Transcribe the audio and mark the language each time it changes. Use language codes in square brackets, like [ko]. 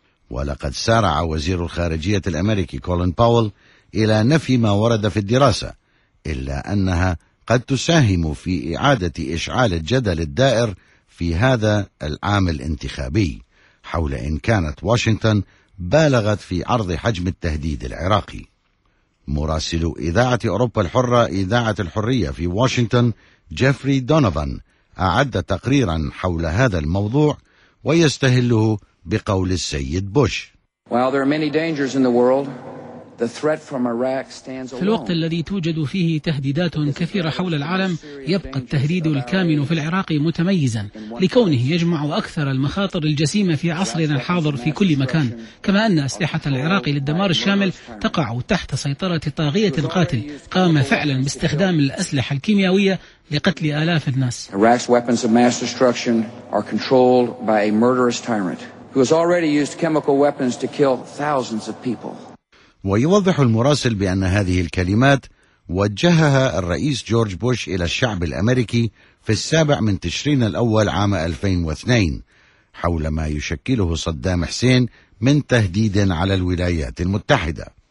[ar] ولقد سارع وزير الخارجية الأمريكي كولين باول إلى نفي ما ورد في الدراسة، إلا أنها قد تساهم في إعادة إشعال الجدل الدائر في هذا العام الانتخابي حول إن كانت واشنطن بالغت في عرض حجم التهديد العراقي. مراسل إذاعة أوروبا الحرة إذاعة الحرية في واشنطن جيفري دونوفان أعد تقريرا حول هذا الموضوع ويستهله بقول السيد بوش. [en] While there are many dangers in the world, [ar] في الوقت الذي توجد فيه تهديدات كثيرة حول العالم، يبقى التهديد الكامن في العراق متميزا لكونه يجمع أكثر المخاطر الجسيمة في عصرنا الحاضر في كل مكان، كما أن أسلحة العراق للدمار الشامل تقع تحت سيطرة طاغية قاتل قام فعلا باستخدام الأسلحة الكيميائية لقتل آلاف الناس. [en] Iraq's weapons of mass destruction are controlled by a murderous tyrant who has already used chemical weapons to kill thousands of people. [ar] ويوضح المراسل بأن هذه الكلمات وجهها الرئيس جورج بوش إلى الشعب الأمريكي في 7 من تشرين الأول عام 2002 حول ما يشكله صدام حسين من تهديد على الولايات المتحدة.